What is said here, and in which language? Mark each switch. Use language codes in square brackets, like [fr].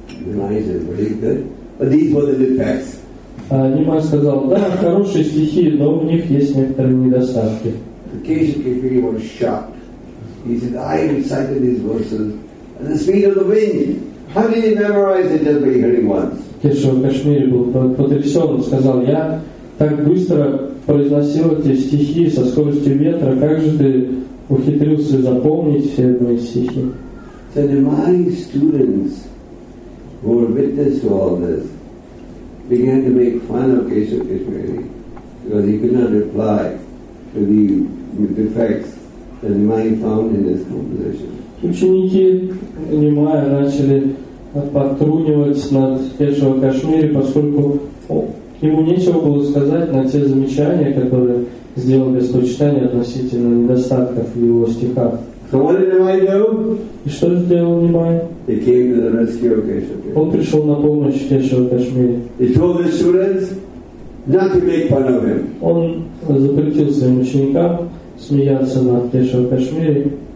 [en] Dimai said, "Very good, but these were the defects." [ru] Нимай сказал, да, хорошие стихи, но у них есть некоторые недостатки. [en] Кешава Кашмири was shocked. He said, "I recited these verses at the speed of the wind. How did you memorize it just by hearing once?" [ru] Кешава Кашмири был потрясен, сказал, я так быстро произносил эти стихи со скоростью ветра, как же ты ухитрился запомнить все мои стихи? [en] So Nimai's students who were witness to all this began to make fun of Kesava Kashmiri because he could not reply to the defects that Nimai found in his composition. [ru] Ученики Нимая начали подтрунивать над Кешава Кашмири, поскольку ему нечего было сказать на те замечания, которые сделал Господь Чайтанья относительно недостатков в его стихах. [en] So what did Nimai do? [ru] И что сделал Нимай? [en] He came to the rescue of Kesava Kashmiri. [ru] Он пришел на помощь Кешава Кашмири. [en] He told his students not to make fun of him. [ru] Он запретил своим ученикам смеяться над Кешава Кашмири.